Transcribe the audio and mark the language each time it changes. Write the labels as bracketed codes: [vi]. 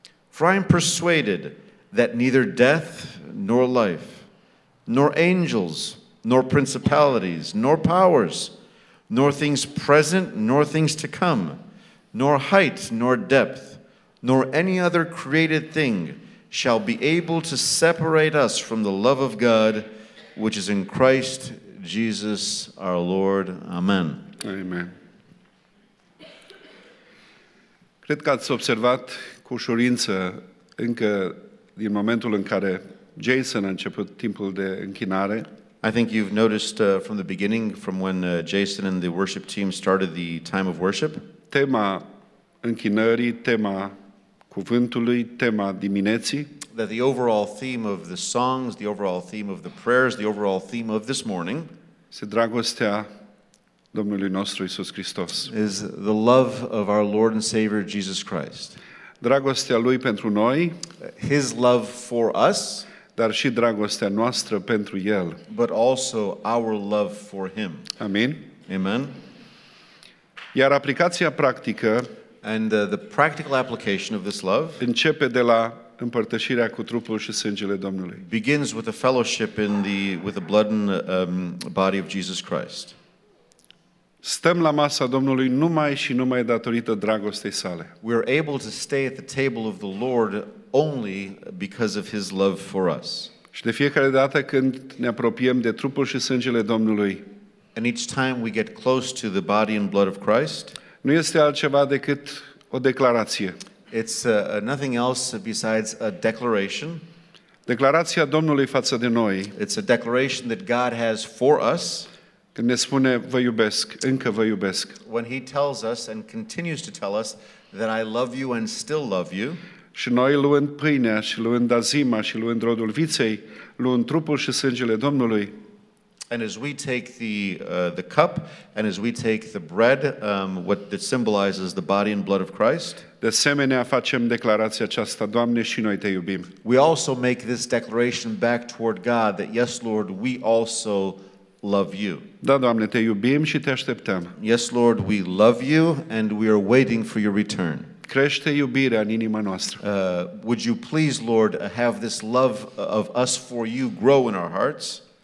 [en] For I am persuaded that neither death nor life, nor angels, nor principalities, nor powers, nor things present, nor things to come, nor height, nor depth, nor any other created thing shall be able to separate us from the love of God, which is in Christ Jesus our Lord. Amen. Amen. [ro] Cred că ați observat cu ușurință încă din momentul în care Jason a început timpul de închinare. [en] I think you've noticed from the beginning, from when Jason and the worship team started the time of worship. [ro] Tema închinării, tema cuvântului, tema dimineții. [en] That the overall theme of the songs, the overall theme of the prayers, the overall theme of this morning. [ro] Este dragostea Domnului nostru Iisus Hristos. [en] Is the love of our Lord and Savior Jesus Christ. [ro] Dragostea Lui pentru noi. [en] His love for us. [ro] Dar și dragostea noastră pentru El. [en] But also our love for him. [ro] Amin. [en] Amen. [ro] Iar aplicația practică, [en] and the practical application of this love, [ro] începe de la împărtășirea cu trupul și sângele Domnului. [en] Begins with a fellowship in the with the blood and body of Jesus Christ. [ro] Stăm la masa Domnului numai și numai datorită dragostei sale. [en] We are able to stay at the table of the Lord only because of his love for us. [ro] Și de fiecare dată când ne apropiem de trupul și sângele Domnului, [en] and each time we get close to the body and blood of Christ, [ro] nu este altceva decât o declarație. [en] It's nothing else besides a declaration. [ro] Declarația Domnului față de noi. [en] It's a declaration that God has for us. [ro] Când ne spune vă iubesc, încă vă iubesc. [en] When he tells us and continues to tell us that I love you and still love you. [ro] Și noi luând pâinea și luând azima și luând rodul viței, luând trupul și sângele Domnului. [en] And as we take the cup and as we take the bread, what that symbolizes the body and blood of Christ. [ro] De asemenea facem declarația aceasta, Doamne, și noi te iubim. [en] We also make this declaration back toward God that yes, Lord, we also love you. [ro] Da, Doamne, te iubim și te așteptăm. [en] Yes, Lord, we love you and we are waiting for your return. [ro] Crește iubirea în inima noastră. [en] Would you please, Lord, have this love of us for you grow in our hearts?